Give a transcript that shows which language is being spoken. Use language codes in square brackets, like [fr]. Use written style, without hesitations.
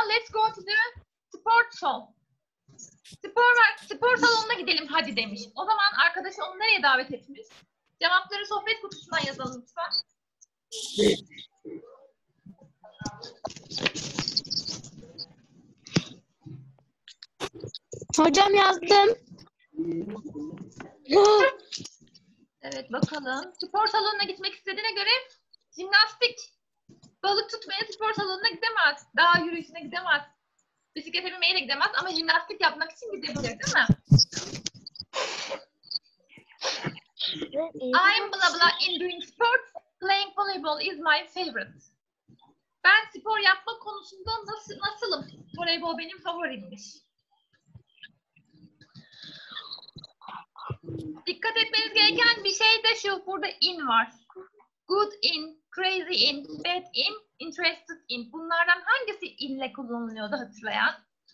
[en] Let's go to the sport salon. [tr] Spor salonuna gidelim hadi demiş. O zaman arkadaşı onu nereye davet etmiş? Cevapları sohbet kutusundan yazalım lütfen. Hocam yazdım. Evet bakalım. Spor salonuna gitmek istediğine göre jimnastik. Balık tutmaya spor salonuna gidemez. Dağ yürüyüşüne gidemez. Bisiklete binmeye de gidemez ama jimnastik yapmak için gidebilir değil mi? [en] I'm blah blah in doing sports. Playing volleyball is my favorite. [tr] Ben spor yapma konusunda nasılım? Volleyball benim favorimmiş. Dikkat etmeniz gereken bir şey de şu, burada in var. [en] Good in, crazy in, bad in, interested in. [tr] Bunlardan hangisi in ile kullanılıyordu hatırlayan?